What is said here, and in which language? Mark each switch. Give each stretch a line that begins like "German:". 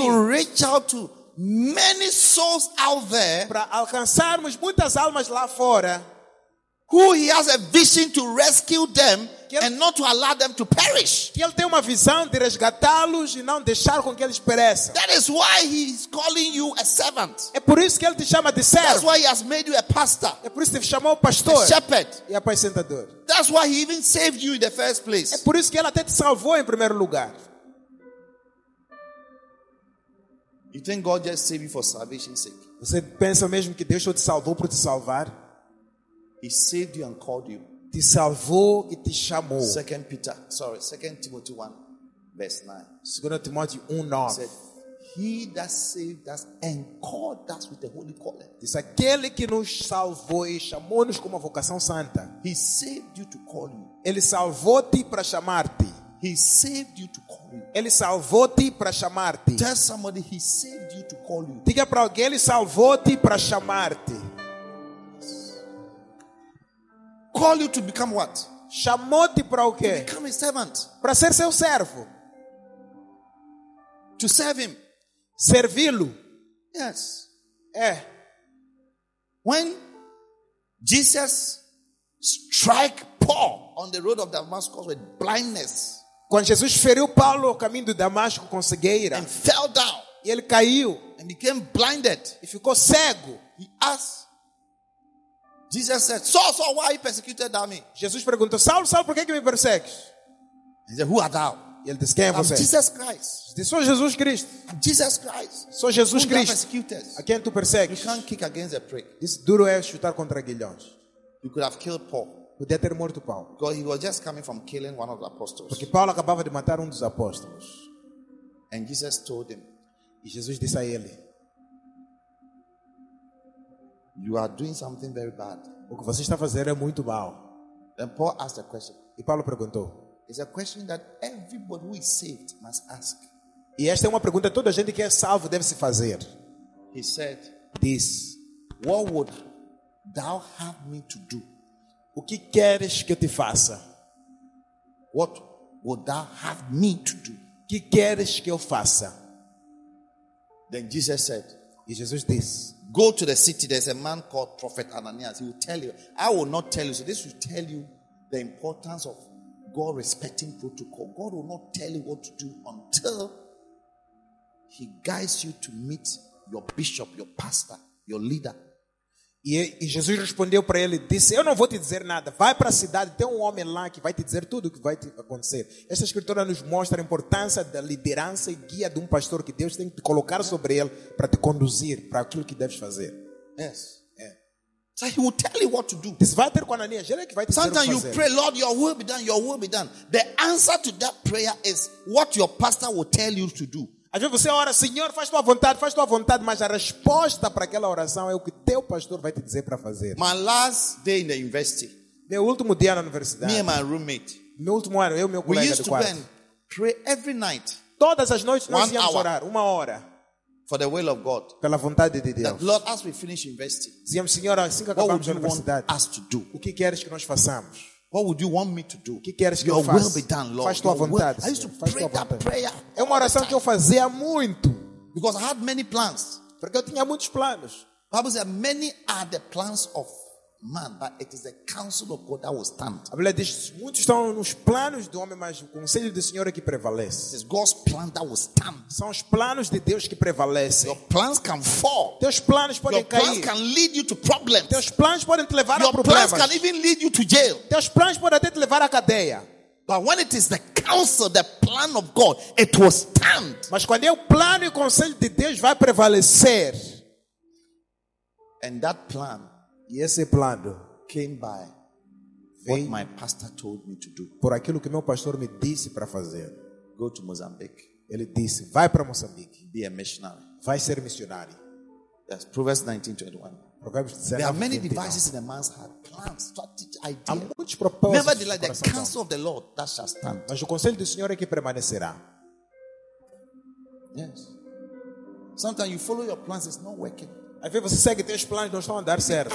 English: To reach out to many souls out there.
Portuguese: Para alcançarmos muitas almas lá fora.
English: Who he has a vision to rescue them and not to allow them to perish.
Portuguese: Que ele tem uma visão de resgatá-los e não deixar com que eles pereçam.
English: That is why he is calling you a servant.
Portuguese: É por isso que ele te chama de servo.
English: That's why he has made you a pastor.
Portuguese: É por isso que ele te chamou pastor.
English: A shepherd.
Portuguese: E apacentador.
English: That's why he even saved you in the first place.
Portuguese: É por isso que ele até te salvou em primeiro lugar.
English: You think God just saved you for salvation's sake?
Portuguese: Você pensa mesmo que Deus só te salvou para te salvar?
English: He saved you and called you.
Portuguese: Te salvou e te chamou.
English: 2 Timothy 1, verse 9. 2 Timothy 1, 9. He said, he that saved us and called us with the holy calling.
Portuguese: Diz aquele que nos salvou e chamou-nos com uma vocação santa.
English: He saved you to call you.
Portuguese: Ele salvou-te para chamar-te.
English: He saved you to call you.
Portuguese: Ele salvou-te para chamar-te.
English: Tell somebody he saved you to call you.
Portuguese: Diga para alguém, ele salvou-te para chamar-te.
English: Call you to become what?
Portuguese: Chamou-te para o quê?
English: To become a servant.
Portuguese: Para ser seu servo.
English: To serve him.
Portuguese: Servi-lo.
English: Yes.
Portuguese: É.
English: When Jesus strike Paul on the road of Damascus with blindness.
Portuguese: Quando Jesus feriu Paulo no caminho de Damasco com cegueira.
English: And fell down.
Portuguese: E ele caiu.
English: And became blinded.
Portuguese: E ficou cego.
English: He asked. Jesus said, Saul, why you persecuted me?
Portuguese: Jesus perguntou, Saul, por que que me persegues?
English: He said, who are thou?
Portuguese: E ele disse, quem é você?
English: I'm Jesus Christ.
Portuguese: Disse, sou Jesus Cristo.
English: I'm Jesus Christ.
Portuguese: Sou Jesus
English: who
Portuguese: Cristo.
English: Persecutes?
Portuguese: A quem tu persegues?
English: You can't kick against a prick.
Portuguese: Disse, duro é chutar contra aguilhões.
English: You could have killed Paul.
Portuguese: Podia ter morto Paulo.
English: Because he was just coming from killing one of the apostles.
Portuguese: Porque Paulo acabava de matar dos apóstolos.
English: And Jesus told him,
Portuguese: e Jesus disse a ele,
English: you are doing something very bad.
Portuguese: O que você está fazendo é muito mal.
English: Then Paul asked a question.
Portuguese: E Paulo perguntou.
English: It's a question that everybody who is saved must ask.
Portuguese: E esta é uma pergunta que toda a gente que é salvo deve se fazer.
English: He said, this, what would thou have me to do?
Portuguese: O que queres que eu te faça?
English: What would thou have me to do?
Portuguese: O que queres que eu faça?
English: Then Jesus said,
Portuguese: e Jesus disse,
English: go to the city, there's a man called Prophet Ananias. He will tell you. I will not tell you. So this will tell you the importance of God respecting protocol. God will not tell you what to do until he guides you to meet your bishop, your pastor, your leader.
Portuguese: E Jesus respondeu para ele, disse, eu não vou te dizer nada. Vai para a cidade, tem um homem lá que vai te dizer tudo o que vai te acontecer. Esta escritura nos mostra a importância da liderança e guia de um pastor que Deus tem que te colocar sobre ele para te conduzir para aquilo que deves fazer.
English: Yes.
Portuguese: É.
English: So he will tell you what to do.
Portuguese: Disse, vai ter com Ananias, ele é que vai te
English: sometimes
Portuguese: dizer o que
English: you
Portuguese: fazer.
English: Pray, Lord, your will be done, your will be done. The answer to that prayer is what your pastor will tell you to do.
Portuguese: Às vezes você ora, Senhor, faz tua vontade, faz tua vontade. Mas a resposta para aquela oração é o que teu pastor vai te dizer para fazer.
English: My last day in the university.
Portuguese: Meu último dia na universidade.
English: Me and my roommate.
Portuguese: Meu último ano, eu e meu colega de quarto.
English: We used to go and pray every night.
Portuguese: Todas as noites nós íamos orar, uma hora.
English: For the will of God.
Portuguese: Pela vontade de Deus.
English: That, Lord, as we finish university.
Portuguese: Dizíamos, Senhor, assim que acabamos a universidade.
English: What would you want us to do?
Portuguese: O que queres que nós façamos?
English: What would you want me to do?
Portuguese: Que queres que
English: your
Portuguese: eu faça?
English: Will be done, Lord.
Portuguese: Faz tua
English: your
Portuguese: vontade.
English: Will. I used to pray that prayer.
Portuguese: É uma oração que eu fazia muito.
English: Because I had many plans.
Portuguese: Porque eu tinha muitos planos.
English: Bible says many are the plans of man, but it is the counsel of God that will stand.
Portuguese: A Bíblia diz muitos estão nos planos do homem, mas o conselho do Senhor é que prevalece.
English: It is God's plan that will stand.
Portuguese: São os planos de Deus que prevalecem.
English: Your plans can fall.
Portuguese: Teus planos podem
English: your
Portuguese: cair.
English: Your plans can lead you to problems.
Portuguese: Teus planos podem te levar
English: your
Portuguese: a problemas.
English: Your plans can even lead you to jail.
Portuguese: Teus planos podem até te levar à cadeia.
English: But when it is the counsel, the plan of God, it will stand.
Portuguese: Mas quando é o plano e o conselho de Deus vai prevalecer.
English: And that plan.
Portuguese: E esse plano
English: came by what my pastor told me to do.
Portuguese: Por aquilo que meu pastor me disse para fazer.
English: Go to Mozambique.
Portuguese: Ele disse, vai para Moçambique.
English: Be a missionary.
Portuguese: Vai ser missionário.
English: Yes, Proverbs 19:21.
Portuguese: Provérbios 19:21.
English: There are many devices in a man's heart, plans, strategy, ideas.
Portuguese: Há muitos propósitos.
English: Never delay the counsel of the Lord that shall stand.
Portuguese: Mas o conselho do Senhor é que permanecerá.
English: Yes. Sometimes you follow your plans, it's not working.
Portuguese: Às vezes você segue teus planos, não estão a dar certo.